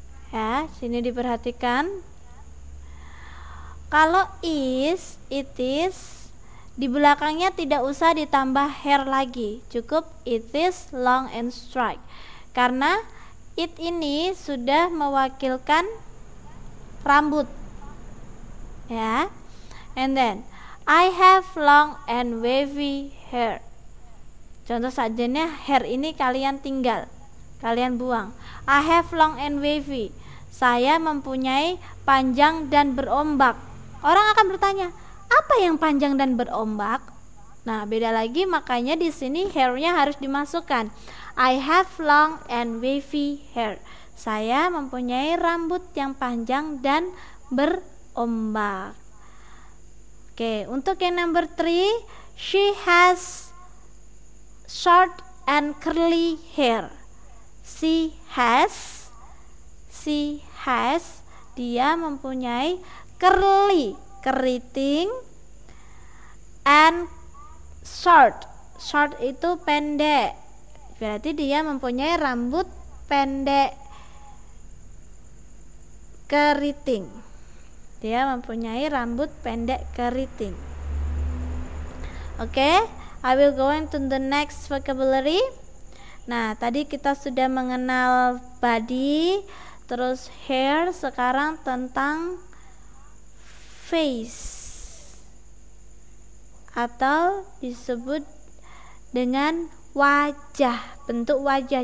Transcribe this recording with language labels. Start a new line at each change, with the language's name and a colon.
Indonesian: Ya, sini diperhatikan. Kalau is, it is, di belakangnya tidak usah ditambah hair lagi, cukup
English: it is long and straight.
Indonesian: Karena it ini sudah mewakilkan rambut. Ya.
English: And then I have long and wavy hair.
Indonesian: Contoh sajanya hair ini kalian tinggal, kalian buang.
English: I have long and wavy.
Indonesian: Saya mempunyai panjang dan berombak. Orang akan bertanya, apa yang panjang dan berombak? Nah, beda lagi, makanya di sini hair-nya harus dimasukkan.
English: I have long and wavy hair.
Indonesian: Saya mempunyai rambut yang panjang dan berombak.
English: Oke,
Indonesian: untuk yang
English: number 3, she has short and curly hair. She has,
Indonesian: dia mempunyai
English: curly,
Indonesian: keriting,
English: and short.
Indonesian: Short itu pendek. Berarti dia mempunyai rambut pendek, keriting. Dia mempunyai rambut pendek, keriting.
English: Oke, okay, I will go into the next vocabulary.
Indonesian: Nah, tadi kita sudah mengenal body, terus hair, sekarang tentang face atau disebut dengan wajah, bentuk wajah.